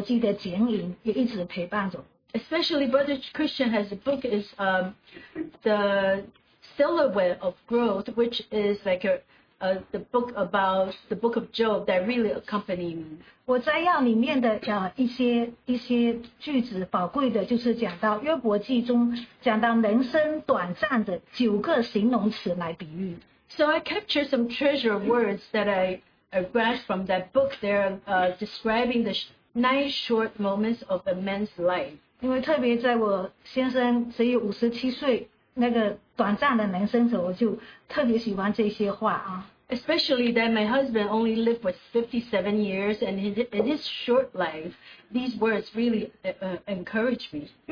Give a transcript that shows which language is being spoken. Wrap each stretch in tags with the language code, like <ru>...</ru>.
<zh>尤其是陈先生弟兄写的《成长的痛苦》，那个约伯记的剪影也一直陪伴着我。</zh> <en>Especially Brother Christian has a book is the Silhouette of Growth, which is like the book about the book of Job that really accompanied me.</en> <zh>我摘要里面的一些句子，宝贵的就是讲到约伯记中讲到人生短暂的9个形容词来比喻。</zh> <en>So I captured some treasure words that I grasped from that book. They're describing the 9 short moments of a man's life.</en> <zh>因为特别在我先生只有57岁那个短暂的人生时，我就特别喜欢这些话啊。</zh> <en>Especially that my husband only lived for 57 years, and in his short life, these words really encourage me.</en>